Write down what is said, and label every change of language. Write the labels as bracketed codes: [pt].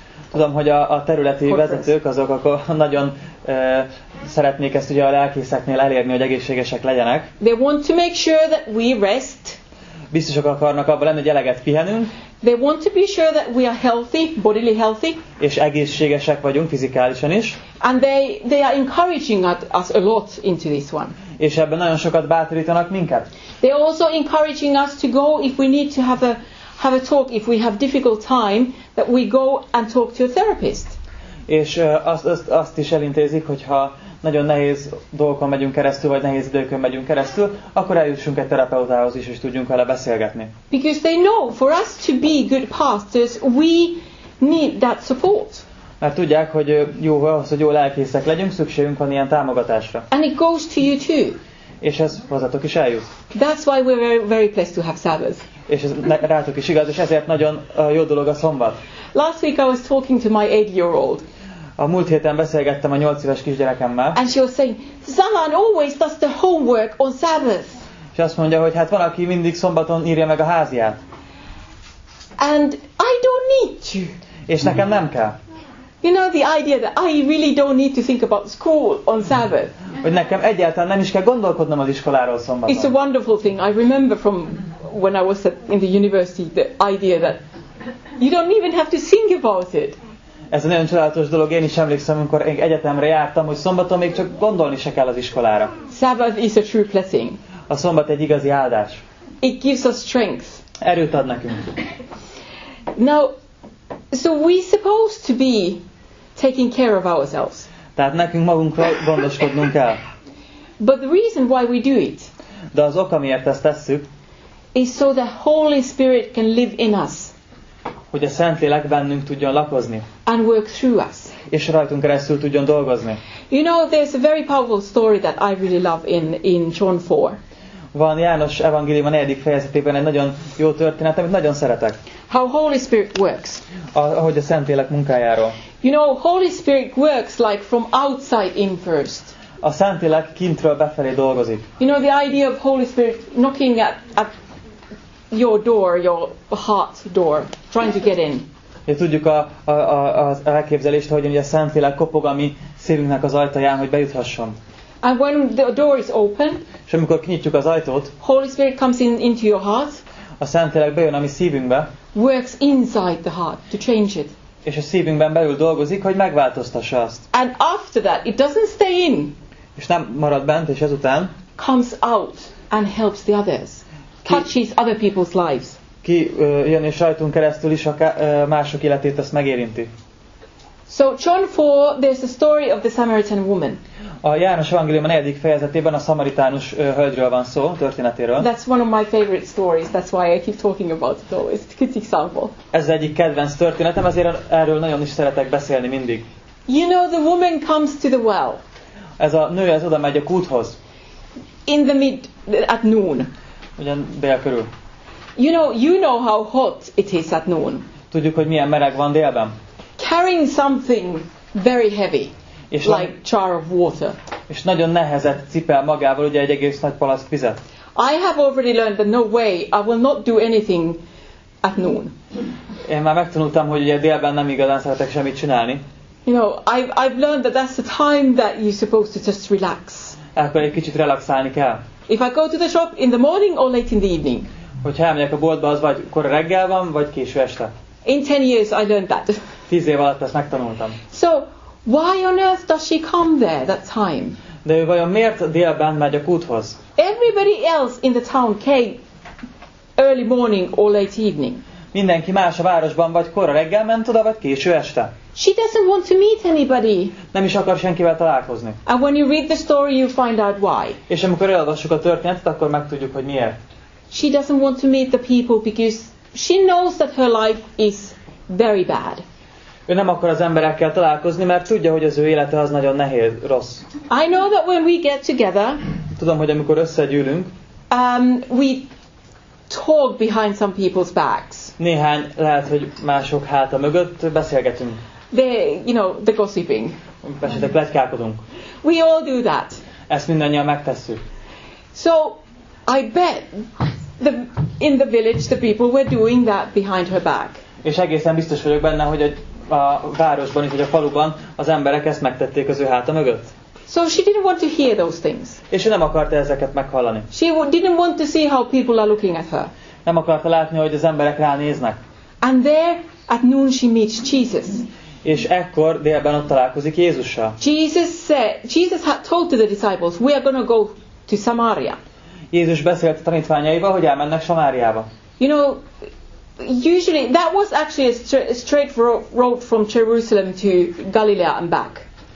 [hu] Tudom, hogy a területi vezetők azok, akkor nagyon szeretnék ezt ugye a lelkészeknél elérni, hogy egészségesek legyenek. [en] They want to make sure that we rest. [hu] Biztosak akarnak abban lenni, hogy eleget pihenünk. [en] They want to be sure that we are healthy, bodily healthy. [hu] És egészségesek vagyunk fizikálisan is. [en] And they are encouraging us a lot into this one. [hu] és ebben nagyon sokat bátorítanak minket. [en] They are also encouraging us to go if we need to have a talk, if we have difficult time, that we go and talk to a therapist. [hu] És azt is elintézik, hogyha nagyon nehéz dolgokon megyünk keresztül, vagy nehéz időkön megyünk keresztül, akkor eljussunk egy terapeutához is, és tudjunk vele beszélgetni. [en] Because they know, for us to be good pastors, we need that support. [hu] Mert tudják, hogy jó az, hogy jó lelkészek legyünk, szükségünk van ilyen támogatásra. [en] And it goes to you too. [hu] És ez hozzátok is eljut. [en] That's why we're very, very pleased to have Sabbath. [hu] És ez rátok is igaz, és ezért nagyon jó dolog a szombat. [en] Last week I was talking to my 8-year-old. [hu] A múlt héten beszélgettem a 8 éves kisgyerekemmel. [en] And she was saying, Zalán always does the homework on Sabbath. [hu] És azt mondja, hogy hát van, aki mindig szombaton írja meg a háziát. [en] And I don't need to. [hu] És nekem nem kell. [en] You know the idea that I really don't need to think about school on Sabbath. [hu] Hogy nekem egyáltalán nem is kell gondolkodnom az iskoláról szombaton. [en] It's a wonderful thing. I remember from when I was in the university the idea that you don't even have to think about it. [hu] Ez nagyon csodálatos dolog, én is emlékszem, amikor egyetemre jártam, hogy szombaton még csak gondolni se kell az iskolára. [en] Sabbath is a true blessing. [hu] A szombat egy igazi áldás. [en] It gives us strength. [hu] Erőt ad nekünk. [en] Now, so we supposed to be taking care of ourselves. [hu] Tehát nekünk magunkról gondoskodnunk kell. [en] But the reason why we do it. [hu] De az oka, miért ezt tesszük. [en] Is so the Holy Spirit can live in us. [hu] Hogy a Szentlélek bennünk tudjon lakozni. [en] And work through us. [hu] És rajtunk keresztül tudjon dolgozni. [en] You know, there's a very powerful story that I really love in John 4. [hu] Van János evangélium a 4. fejezetében egy nagyon jó történet, amit nagyon szeretek. [en] How Holy Spirit works. [hu] Ahogy a Szentlélek munkájáról. [en] You know, Holy Spirit works like from outside in first. [hu] A Szentlélek kintről befelé dolgozik. [en] You know, the idea of Holy Spirit knocking at your door, your heart door, trying to get in. [hu] Ja, tudjuk az elképzelést, hogy ugye a Szentlélek kopog a mi szívünknek az ajtaján, hogy bejuthasson. [en] And when the door is open, [hu] és amikor kinyitjuk az ajtót, [en] Holy Spirit comes in into your heart, [hu] a Szentlélek bejön a mi szívünkbe, [en] works inside the heart to change it. [hu] És a szívünkben belül dolgozik, hogy megváltoztassa azt. [en] And after that, it doesn't stay in. [hu] És nem marad bent, és ezután [en] comes out and helps the others. Touches other people's lives. [hu] Ki jön és rajtunk keresztül is mások életét ezt megérinti. [en] So John 4, there's a story of the Samaritan woman. [hu] A János evangélium a 4. fejezetében a szamaritánus hölgyről van szó, történetéről. [en] That's one of my favorite stories. That's why I keep talking about it always. It's a good example. [hu] Ez egyik kedvenc történetem, ezért erről nagyon is szeretek beszélni mindig. [en] You know, the woman comes to the well. [hu] Ez a nő, ez oda megy a kúthoz. [en] In the mid, at noon. [hu] Ugyan dél körül. [en] You know how hot it is at noon. [hu] Tudjuk, hogy milyen meleg van délben. [en] Carrying something very heavy, és like jar of water. [hu] És nagyon nehezet cipel magával, ugye egy egész nagy palack vizet. [en] I have already learned that no way, I will not do anything at noon. [hu] Én már megtanultam, hogy ugye délben nem igazán szeretek semmit csinálni. [en] You know, I've learned that that's the time that you're supposed to just relax. [hu] Akkor egy kicsit relaxálni kell. [en] If I go to the shop in the morning or late in the evening. [hu] Hogyha elmegyek a boltba, az vagy akkor reggel van, vagy késő este. [en] In 10 years I learned that. [hu] 10 év alatt ezt megtanultam. [en] So, why on earth does she come there that time? [hu] De ő vajon miért délben megy a kúthoz? [en] Everybody else in the town came early morning or late evening. [hu] Mindenki más a városban vagy korra reggel ment oda, vagy késő este. [en] She doesn't want to meet anybody. [hu] Nem is akar senkivel találkozni. [en] And when you read the story, you find out why. [hu] És amikor elolvassuk a történetet, akkor megtudjuk, hogy miért. [en] She doesn't want to meet the people because she knows that her life is very bad. [hu] Ő nem akar az emberekkel találkozni, mert tudja, hogy az ő élete az nagyon nehéz, rossz. [en] I know that when we get together. [hu] Tudom, hogy amikor összegyűlünk. [en] We talk behind some people's backs. [hu] Néhány lehet, hogy mások háta mögött beszélgetünk. [en] The, you know, the gossiping. [hu] Persze, pletykálkodunk. [en] We all do that. [hu] Ezt mindannyian megtesszük. [en] So, I bet in the village the people were doing that behind her back. [hu] És egészen biztos vagyok benne, hogy a városban, vagy a faluban az emberek ezt megtették az ő háta mögött. [en] So she didn't want to hear those things. [hu] És ő nem akarta ezeket meghallani. [en] She didn't want to see how people are looking at her. [hu] Nem akarta látni, hogy az emberek ránéznek. [en] And there at noon she meets Jesus. [hu] És ekkor délben ott találkozik Jézussal. [en] Jesus had told to the disciples, we are going to go to to Samaria. [hu] Jézus beszélt a tanítványaival, hogy elmennek Samáriába. [en] You know, usually that was actually a straight road from Jerusalem to Galilee and back.